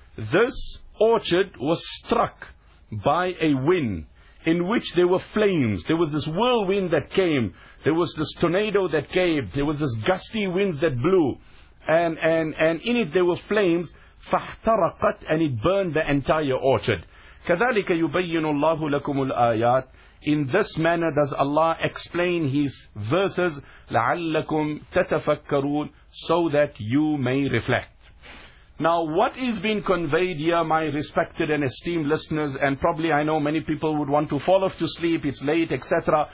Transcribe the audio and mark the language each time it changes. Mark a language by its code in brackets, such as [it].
[en] This orchard was struck by a wind, in which there were flames. There was this whirlwind that came. There was this tornado that came. There was this gusty winds that blew. and in it there were flames, [ar] فاحترقت, [en] and it burned the entire orchard. [ar] كذلك يبين الله لكم الآيات. [en] In this manner does Allah explain His verses, [ar] لعلكم تتفكرون, [en] so that you may reflect. Now, what is being conveyed here, my respected and esteemed listeners, and probably I know many people would want to fall off to sleep, it's late, etc.